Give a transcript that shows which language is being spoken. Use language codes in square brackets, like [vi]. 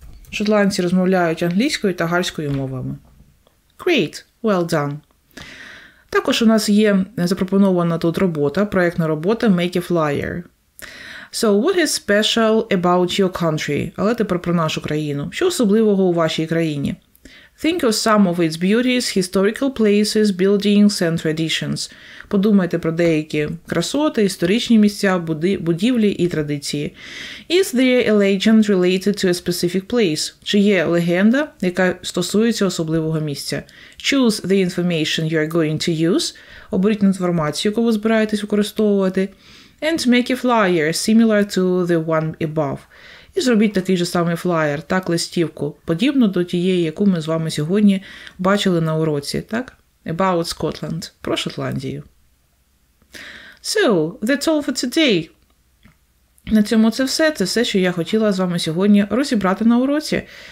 [uk] Шотландці розмовляють англійською та гальською мовами. [en] Great! Well done! [uk] Також у нас є запропонована тут робота, проєктна робота [en] «Make a flyer». So, what is special about your country? [uk] Але тепер про нашу країну. Що особливого у вашій країні? [en] Think of some of its beauties, historical places, buildings and traditions. [uk] Подумайте про деякі красоти, історичні місця, будівлі і традиції. [en] Is there a legend related to a specific place? [uk] Чи є легенда, яка стосується особливого місця? [en] Choose the information you are going to use. [uk] Оберіть інформацію, яку ви збираєтесь використовувати. [en] And make a flyer similar to the one above. [uk] І зробіть такий же самий флаєр, так, листівку, подібну до тієї, яку ми з вами сьогодні бачили на уроці, так? [en] About Scotland, [uk] про Шотландію. [en] So, that's all for today. [uk] На цьому це все, що я хотіла з вами сьогодні розібрати на уроці.